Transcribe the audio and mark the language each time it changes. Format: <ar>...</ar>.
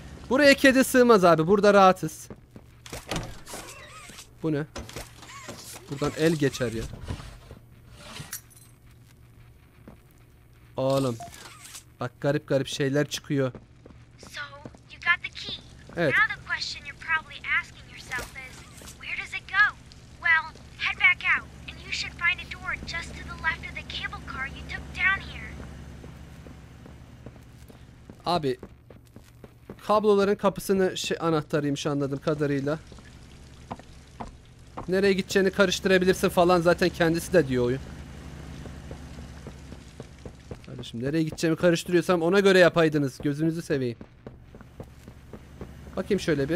<tr>Buraya kedi sığmaz abi. Burada rahatız. Bu ne? Buradan el geçer ya. Oğlum. Bak garip garip şeyler çıkıyor.</tr> <en>So, you got the key.</en> <tr>Evet.</tr> <en>Now the question you're probably asking yourself is, where does it go? Well, head back out and you should find a door just to the left of the cable car you took down here.</en> <tr>Abi kabloların kapısını anahtarıymış anladığım kadarıyla. Nereye gideceğini karıştırabilirsin falan zaten kendisi de diyor oyun. Şimdi nereye gideceğimi karıştırıyorsam ona göre yapaydınız. Gözünüzü seveyim. Bakayım şöyle bir.</tr>